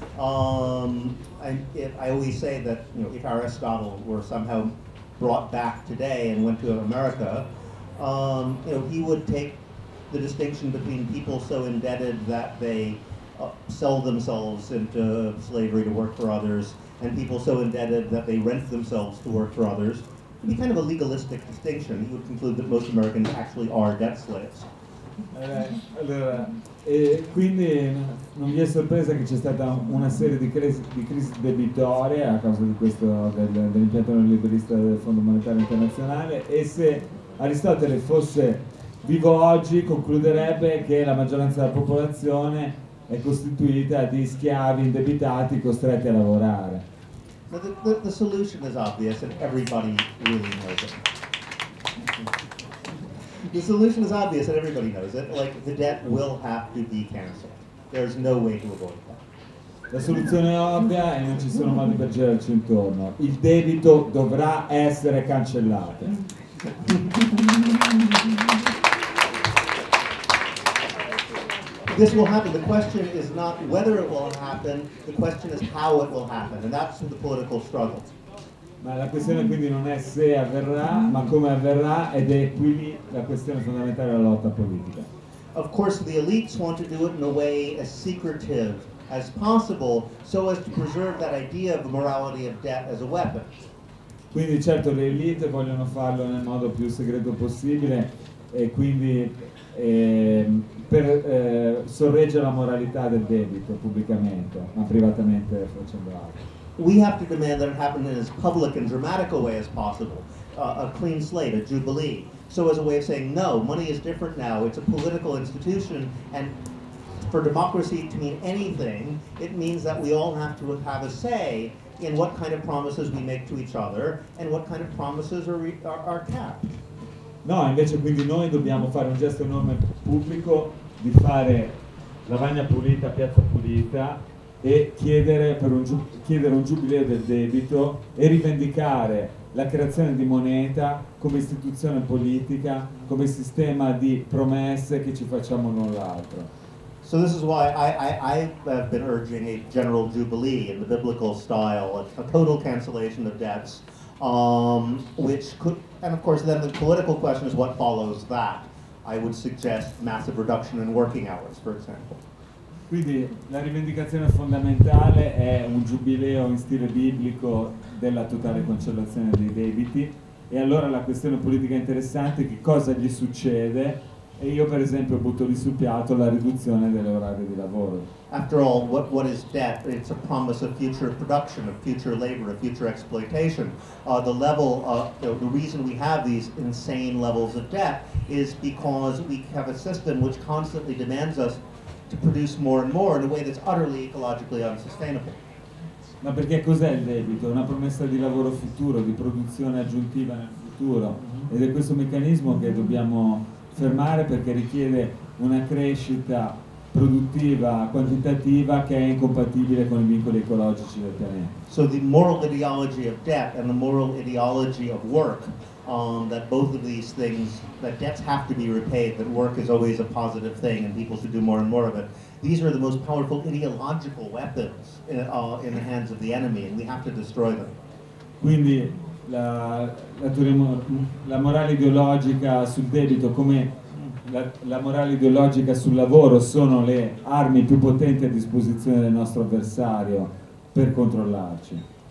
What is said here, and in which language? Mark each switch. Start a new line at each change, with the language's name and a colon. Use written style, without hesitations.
English: I always say that if Aristotle were somehow brought back today and went to America, he would take the distinction between people so indebted that they sell themselves into slavery to work for others, and people so indebted that they rent themselves to work for others. It'd be kind of a legalistic distinction. He would conclude that most Americans actually are debt slaves.
Italian: Allora, e quindi non vi è sorpresa che c'è stata una serie di crisi debitorie a causa di questo dell'impianto neoliberista del Fondo Monetario Internazionale, e se Aristotele fosse vivo oggi concluderebbe che la maggioranza della popolazione è costituita di schiavi indebitati costretti a lavorare.
English: So the solution is obvious, and everybody really knows it. The solution is obvious, and everybody knows it. Like, the debt will have to be canceled. There's no way to avoid that.
Italian: La soluzione è ovvia e non ci sono modi per girarci intorno. Il debito dovrà essere cancellato.
English: This will happen. The question is not whether it will happen, the question is how it will happen, and that's the political struggle.
Italian: Ma la questione quindi non è se avverrà, ma come avverrà, ed è quindi la questione fondamentale della lotta politica.
English: Of course, the elites want to do it in a way as secretive as possible, so as to preserve that idea of the morality of debt as a weapon.
Italian: Quindi certo le elite vogliono farlo nel modo più segreto possibile, e quindi per sorreggere la moralità del debito pubblicamente, ma privatamente facendo altro.
English: We have to demand that it happen in as public and dramatic a way as possible, a clean slate, a jubilee, so as a way of saying no, money is different now, it's a political institution, and for democracy to mean anything, it means that we all have to have a say in what kind of promises we make to each other and what kind of promises are kept.
Italian: No, invece quindi noi dobbiamo fare un gesto enorme pubblico di fare lavagna pulita, piazza pulita e chiedere un giubileo del debito e rivendicare la creazione di moneta come istituzione politica, come sistema di promesse che ci facciamo l'un l'altro.
English: So this is why I have been urging a general jubilee in the biblical style, a total cancellation of debts, which could, and of course then the political question is what follows that. I would suggest massive reduction in working hours, for example.
Italian: Quindi la rivendicazione fondamentale è un giubileo in stile biblico della totale cancellazione dei debiti, e allora la questione politica interessante è che cosa gli succede, e io per esempio butto lì sul piatto la riduzione dell'orario di lavoro.
English: After all, what is debt? It's a promise of future production, of future labor, of future exploitation. The level of, the reason we have these insane levels of debt is because we have a system which constantly demands us to produce more and more in a way that's utterly ecologically unsustainable.
Italian: Ma perché cos'è il debito? Una promessa di lavoro futuro, di produzione aggiuntiva nel futuro. Ed è questo meccanismo che dobbiamo fermare perché richiede una crescita produttiva, quantitativa, che è incompatibile con i vincoli ecologici del pianeta.
English: So the moral ideology of debt and the moral ideology of work, that both of these things, that debts have to be repaid, that work is always a positive thing and people should do more and more of it, these are the most powerful ideological weapons in the hands of the enemy, and we have to destroy them.
Italian: Quindi la morale ideologica sul debito, come la morale ideologica sul lavoro, sono le armi più potenti a disposizione del nostro avversario per controllarci.